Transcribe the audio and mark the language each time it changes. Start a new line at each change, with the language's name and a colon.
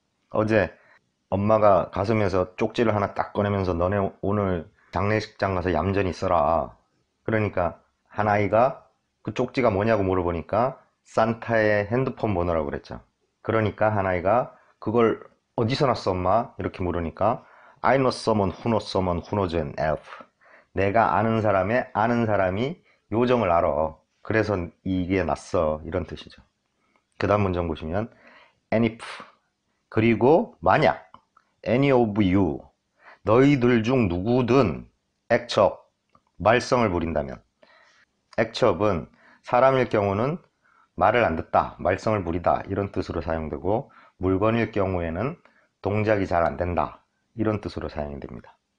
Korean: 어제 엄마가 가슴에서 쪽지를 하나 딱 꺼내면서 너네 오늘 장례식장 가서 얌전히 있어라. 그러니까, 한 아이가 그 쪽지가 뭐냐고 물어보니까 산타의 핸드폰 번호라고 그랬죠. 그러니까 한 아이가 그걸 어디서 났어, 엄마? 이렇게 물으니까
English: I know someone who knows someone who knows an elf.
Korean: 내가 아는 사람의 아는 사람이 요정을 알아. 그래서 이게 났어. 이런 뜻이죠. 그 다음 문장 보시면
English: And if
Korean: 그리고 만약
English: Any of you
Korean: 너희들 중 누구든
English: act up
Korean: 말썽을 부린다면 액첩은 사람일 경우는 말을 안 듣다, 말썽을 부리다 이런 뜻으로 사용되고 물건일 경우에는 동작이 잘안 된다 이런 뜻으로 사용이 됩니다.